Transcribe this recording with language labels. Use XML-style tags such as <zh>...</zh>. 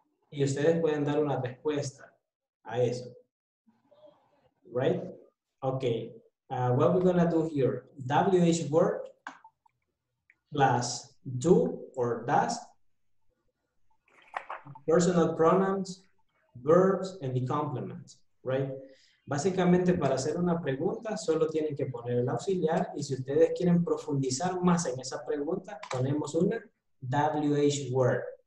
<es>Y ustedes pueden dar una respuesta a eso.</es> <en>Right? Okay. What we're gonna do here, WH word plus do or does, personal pronouns, verbs, and the complement, right?</en> <es>Básicamente para hacer una pregunta, solo tienen que poner el auxiliar y si ustedes quieren profundizar más en esa pregunta, ponemos una WH word.</es>